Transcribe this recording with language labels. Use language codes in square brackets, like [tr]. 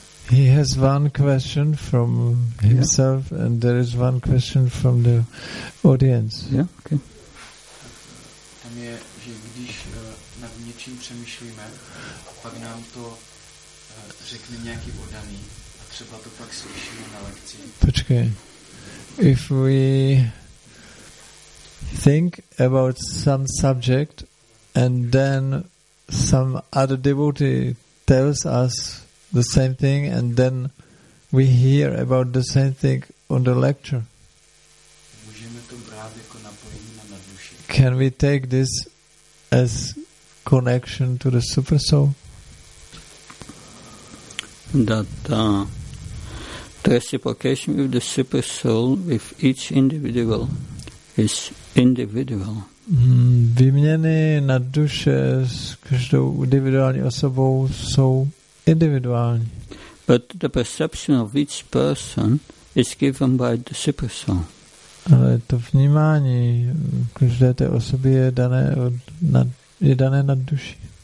[en] He has one question from himself, yeah. And there is one question from the audience. Yeah, okay. [cs] přemýšlíme, pak nám to řekne nějaký oddaný a třeba to pak slyšíme na lekci. Počkej. [en] If we think about some subject and then some other devotee tells us the same thing and then we hear about the same thing on the lecture. [cs] Můžeme to brát jako napojení na duši. [en] Can we take this as connection to the super soul? That the reciprocation with the super soul with each individual is individual. [cs] Výměny na duše s každou individuální osobou jsou individuální. [en] But the perception of each person is given by the super soul. [cs] Ale to vnímání každé té osoby je dané od nad duši.